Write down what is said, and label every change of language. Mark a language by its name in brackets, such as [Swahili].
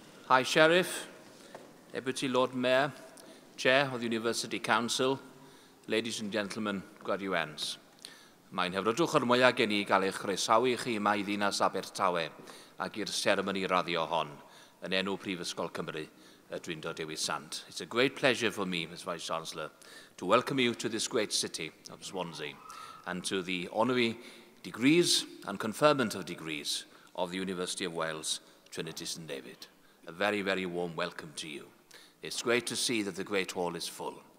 [English] High Sheriff, Deputy Lord Mayor, Chair of the University Council, ladies and gentlemen, graduands. [Welsh] Mae'n hyfrydwch yr mwyaf gen i gael eich chresawu chi yma i ddinas Abertawe ac i'r seremoni raddio hon yn enw Prifysgol Cymru, y Drindod Dewi Sant. [English] It's a great pleasure for me, Ms. Vice Chancellor, to welcome you to this great city of Swansea and to the honorary degrees and conferment of degrees of the University of Wales, Trinity, St David. A very, very warm welcome to you. It's great to see that the Great Hall is full.